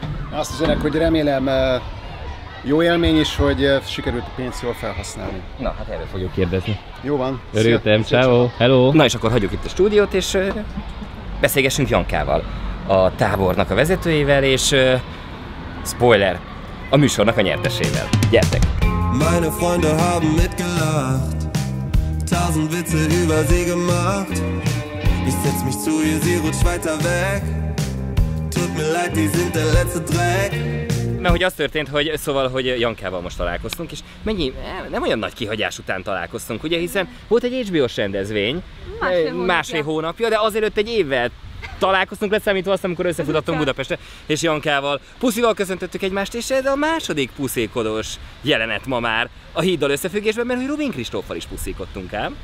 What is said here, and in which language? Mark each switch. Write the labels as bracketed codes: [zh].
[hu] Azt üzenek, hogy remélem jó élmény is, hogy sikerült a pénzt jól felhasználni. Na, hát erről fogjuk kérdezni. Jó van. Örültem, ciao, hello. Na és akkor hagyjuk itt a stúdiót, és beszélgessünk Jankával, a tábornak a vezetőjével, és spoiler, a műsornak a nyertesével. Gyertek! [de] Meine Freunde haben mitgelacht, tausend Witze über sie gemacht. Ich setz mich zu ihr, sie rutscht weiter weg. Tut mir leid, die sind der letzte Dreck. [hu] Mert hogy az történt, hogy szóval, hogy Jankával most találkoztunk, és mennyi, nem olyan nagy kihagyás után találkoztunk, ugye, hiszen volt egy HBO-s rendezvény, másfél hónapja, de azelőtt egy évvel találkoztunk, leszámítva azt, amikor összefutottunk Budapestre, és Jankával puszival köszöntöttük egymást, és ez a második puszékodós jelenet ma már a híddal összefüggésben, mert hogy Rubin Kristóffal is puszíkodtunk ám.